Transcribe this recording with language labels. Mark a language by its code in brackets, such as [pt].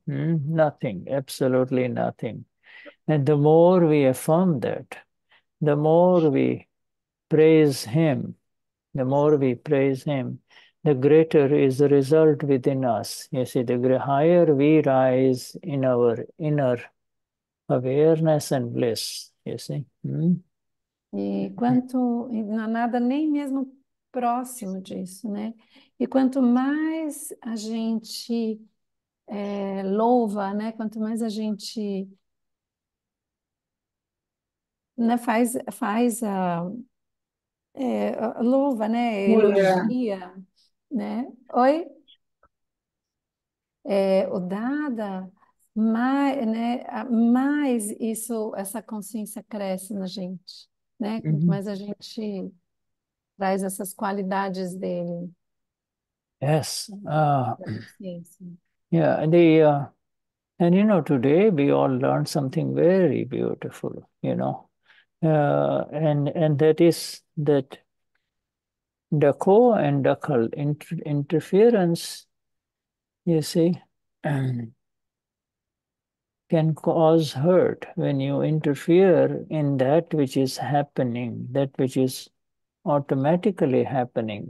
[en] Nothing, absolutely nothing. And the more we affirm that, the more we praise him, the more we praise him, the greater is the result within us. You see, the higher we rise in our inner awareness and bliss, you see? [pt] E quanto, não há nada nem mesmo próximo disso, né? E quanto mais a gente louva, né? Quanto mais a gente louva, né? Elogia, né? Oi? O Dada, mais isso, essa consciência cresce na gente, né? Quanto mais a gente traz essas qualidades dele. [en] Yes. [pt] Consciência. [en] Yeah, and and you know, today we all learned something very beautiful, you know. And that is that Dako and Dakal interference, you see, can cause hurt when you interfere in that which is happening, that which is automatically happening.